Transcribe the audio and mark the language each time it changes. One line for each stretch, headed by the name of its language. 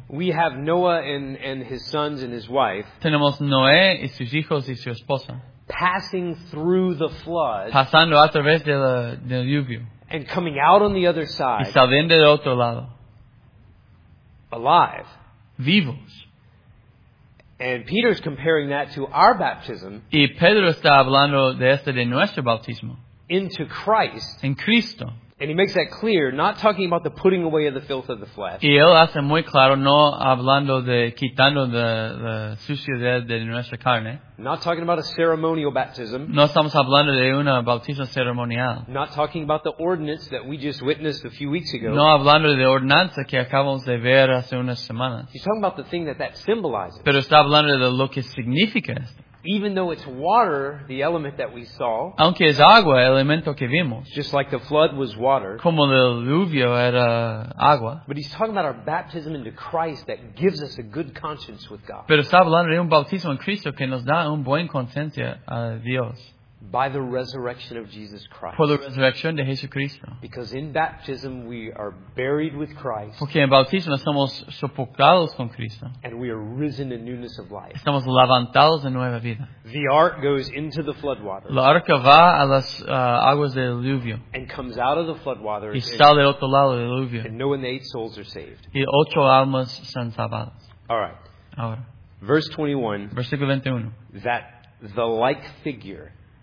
English: We have Noah and his sons and his wife.
Spanish: Tenemos Noé y sus hijos y su esposa.
English: Passing through the flood.
Spanish: Pasando a través de la del lluvio.
English: And coming out on the other side.
Spanish: Y saliendo del otro lado.
English: Alive.
Spanish: Vivos.
English: And Peter's comparing that to our baptism.
Spanish: Y Pedro está hablando de este de nuestro bautismo.
English: Into Christ.
Spanish: En Cristo.
English: And he makes that clear, not talking about the putting away of the filth of the flesh.
Spanish: Y él hace muy claro, no hablando de quitando la suciedad de nuestra carne.
English: Not talking about a ceremonial baptism.
Spanish: No estamos hablando de una bautismo ceremonial.
English: Not talking about the ordinance that we just witnessed a few weeks ago.
Spanish: No hablando de ordenanza que acabamos de ver hace unas semanas.
English: He's talking about the thing that symbolizes.
Spanish: Pero está hablando de lo que significa.
English: Even though it's water, the element that we saw.
Spanish: Aunque es agua, el elemento que vimos.
English: Just like the flood was water.
Spanish: Como el diluvio era agua.
English: But he's talking about our baptism into Christ that gives us a good conscience with God.
Spanish: Pero está hablando de un bautismo en Cristo que nos da un buen conciencia a Dios.
English: By the resurrection of Jesus Christ.
Spanish: Por la resurrección de Jesucristo.
English: Because in baptism we are buried with Christ.
Spanish: Porque en bautismo estamos sepultados con Cristo.
English: And we are risen in newness of life.
Spanish: Estamos levantados en nueva vida.
English: The ark goes into the flood waters.
Spanish: La arca va a las aguas del diluvio.
English: And comes out of the flood waters.
Spanish: Y sale del otro lado del diluvio.
English: And Noah and the 8 souls are saved.
Spanish: Y 8 almas son salvadas.
English: All right.
Spanish: Ahora.
English: Verse 21.
Spanish: Versículo 21.
English: That the like figure.